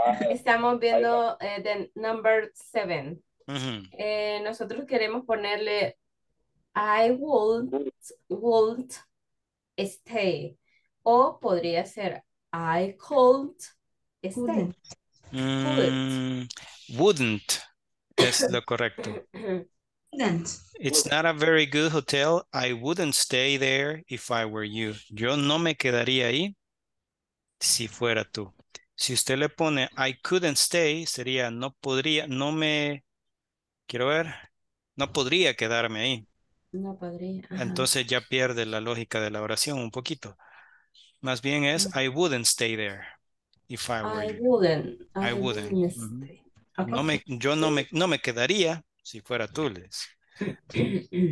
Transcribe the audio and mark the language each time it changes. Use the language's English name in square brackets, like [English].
[Spanish] Estamos viendo [English] the number seven. [Spanish] Nosotros queremos ponerle [English] I would stay. [Spanish] O podría ser [English] I could stay. Wouldn't [Spanish] es lo correcto. [English] It's not a very good hotel. I wouldn't stay there if I were you. [Spanish] Yo no me quedaría ahí si fuera tú. Si usted le pone [English] I couldn't stay, [Spanish] sería no podría, no me, quiero ver, no podría quedarme ahí. No podría. Ajá. Entonces ya pierde la lógica de la oración un poquito. Más bien es [English] I wouldn't stay there if I were you. I wouldn't. [Spanish] No me, yo no me, no me quedaría si fuera tú, Liz.